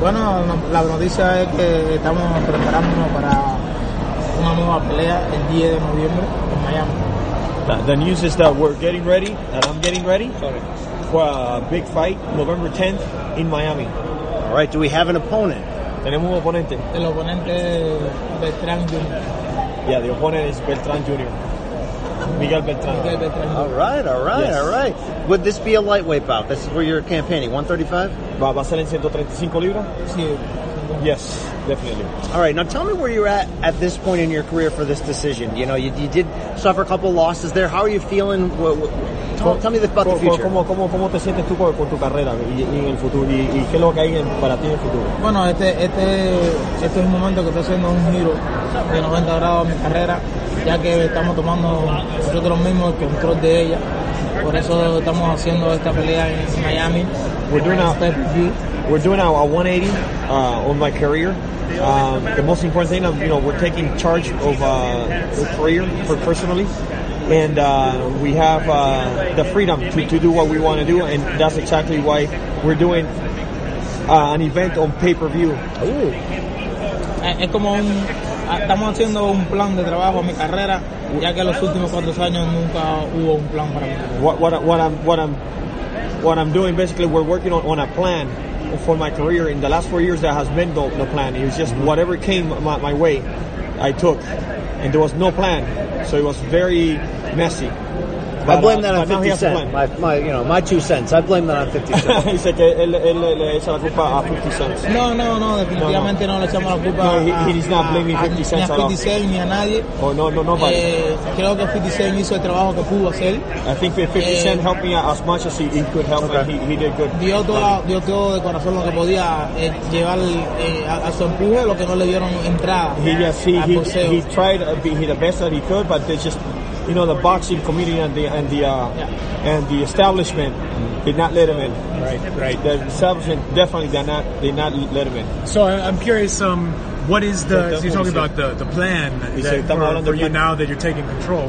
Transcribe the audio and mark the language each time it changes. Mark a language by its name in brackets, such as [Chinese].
[Spanish] Bueno, la noticia es que estamos preparándonos para una nueva pelea el 10 de noviembre en Miami. [English] The news is that we're getting ready, and I'm getting ready. Sorry. For a big fight, November 10th in Miami. All right, do we have an opponent? [Spanish] Tenemos un oponente. El oponente Beltrán Jr. [English] Yeah, the opponent is Beltrán Jr. Miguel Beltrán. Miguel Beltrán Jr. All right, all right, yes. All right. Would this be a lightweight bout? This is where you're campaigning, 135? [Spanish] Va a ser en 135 libras. Sí. [English] Yes, definitely. All right, now tell me where you're at this point in your career for this decision. You know, you did suffer a couple losses there. How are you feeling? Tell me about the future. [Spanish] ¿Cómo te sientes tú con tu carrera y en el futuro? ¿Y qué es lo que hay para ti en el futuro? Bueno, este es un momento que estoy haciendo un giro de 90 grados a mi carrera, ya que estamos tomando nosotros mismos el control de ella. Por eso estamos haciendo esta pelea en Miami. [English] We're doing a 180 on my career. The most important thing, you know, we're taking charge of the career personally. And we have the freedom to do what we want to do. And that's exactly why we're doing an event on pay-per-view. [Spanish] Es como un... Estamos haciendo un plan de trabajo a mi carrera, ya que los últimos cuatro años nunca hubo un plan para mí. [English] What I'm doing, basically, we're working on a plan for my career. In the last 4 years, that has been the plan. It was just whatever came my way, I took. And there was no plan. So it was very messy. But, I blame that on 50 Cent. My 2 cents. I blame that on 50 Cent. He said [Spanish] él le echa la culpa a 50 Cent. No, definitivamente no le echamos la culpa a [English] 50 Cent. He's not blaming 50 Cent at all. [Spanish] Ni a 50 Cent ni a nadie. [English] Oh, no, nobody. [Spanish] Creo que 50 Cent hizo el trabajo que pudo hacer. [English] I think 50 Cent helped me as much as he could help. Okay. He did good. [Spanish] Dio todo de corazón lo que podía llevar a su empuje, lo que no le dieron entrada. [English] He tried to be the best that he could, but they just... You know, the boxing community and the establishment did not let him in. Right. The establishment definitely did not let him in. So I'm curious, what is you're talking about the plan for you now that you're taking control?